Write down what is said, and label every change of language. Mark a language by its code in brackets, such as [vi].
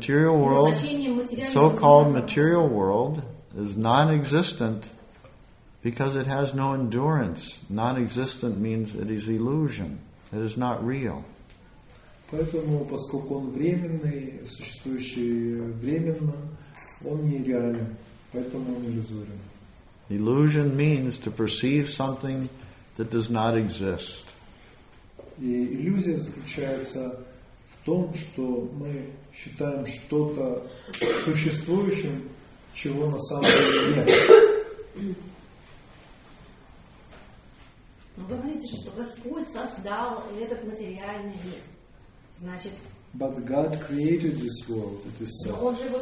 [en] Material world, so-called material world, is non-existent because it has no endurance. Non-existent means it is illusion. It is not real. [ru] Поэтому, поскольку он временный, существующий временно, он нереален, поэтому он иллюзорен. [en] Illusion means to perceive something that does not exist. [ru] И иллюзия заключается в том, что мы считаем что-то существующим, чего на самом деле нет. Вы говорите, что Господь сам дал этот материальный мир. [en] But God created this world, it is so.